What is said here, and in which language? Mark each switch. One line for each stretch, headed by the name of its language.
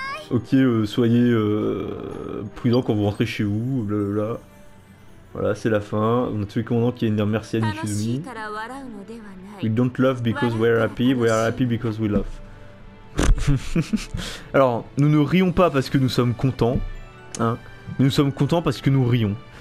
French: Ok, soyez prudents quand vous rentrez chez vous, blablabla. Voilà, c'est la fin. On a tous les commandants qui viennent dire merci à Nishizumi.
English: We don't love because we are happy because we love.
French: Alors, nous ne rions pas parce que nous sommes contents, hein. Mais nous sommes contents parce que nous rions.